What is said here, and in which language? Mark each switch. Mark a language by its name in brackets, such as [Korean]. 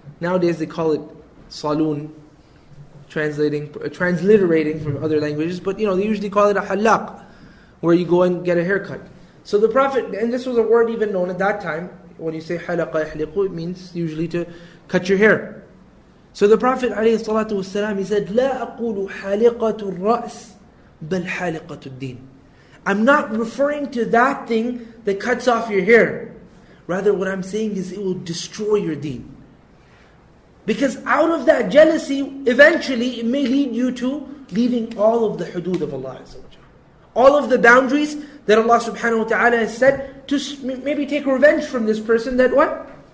[English] Nowadays they call it saloon, transliterating from other languages. But, you know, they usually call it a halaq, where you go and get a haircut. So the Prophet, and this was a word even known at that time, when you say halaqa ihliqu, it means usually to cut your hair. So the Prophet [Arabic] عليه الصلاة والسلام, [English] he said, [Arabic] لا أقول حالقة الرأس بل حالقة الدين. [English] I'm not referring to that thing that cuts off your hair. Rather, what I'm saying is it will destroy your deen. Because out of that jealousy, eventually it may lead you to leaving all of the hudud of Allah عز وجل. All of the boundaries that Allah subhanahu wa ta'ala has said to maybe take revenge from this person that what?